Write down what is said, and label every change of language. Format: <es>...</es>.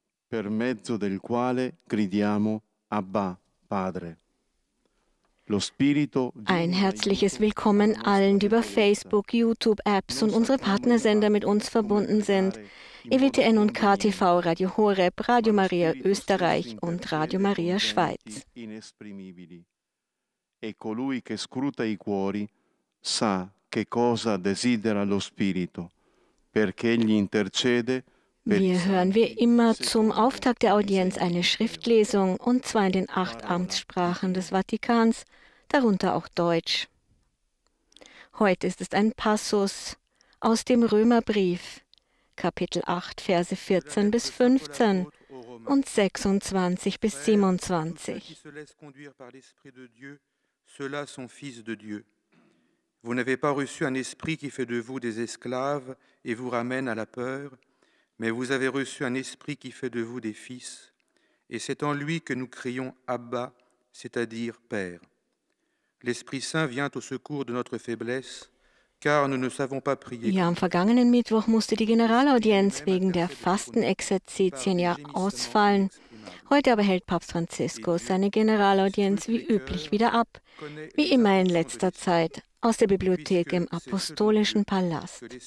<it>Per mezzo del quale gridiamo Abba, Padre. Lo Spirito.</it> <de>Ein herzliches Willkommen allen, die über Facebook, YouTube-Apps und unsere Partnersender mit uns verbunden sind: EWTN und KTV, Radio Horeb, Radio Maria Österreich und Radio Maria Schweiz.</de> <it>Inesprimibili. E colui che scruta i cuori sa che cosa desidera lo Spirito, perché egli intercede.</it> <de>Wir hören wie immer zum Auftakt der Audienz eine Schriftlesung, und zwar in den 8 Amtssprachen des Vatikans, darunter auch Deutsch. Heute ist es ein Passus aus dem Römerbrief, Kapitel 8, Verse 14 bis 15 und 26 bis 27.</de> <fr>Tout ce qui se laisse conduire par l'Esprit de Dieu, ceux-là sont fils de Dieu. Vous n'avez pas reçu un esprit qui fait de vous des esclaves et vous ramène à la peur. Mais vous avez reçu un esprit qui fait de vous des fils, et c'est en lui que nous crions Abba, c'est-à-dire Père. L'Esprit Saint vient au secours de notre faiblesse, car nous ne savons pas prier.</fr> <de>Ja, am vergangenen Mittwoch musste die Generalaudienz wegen der Fastenexerzitien ja ausfallen. Heute aber hält Papst Franziskus seine Generalaudienz wie üblich wieder ab, wie immer in letzter Zeit, aus der Bibliothek im Apostolischen Palast.</de>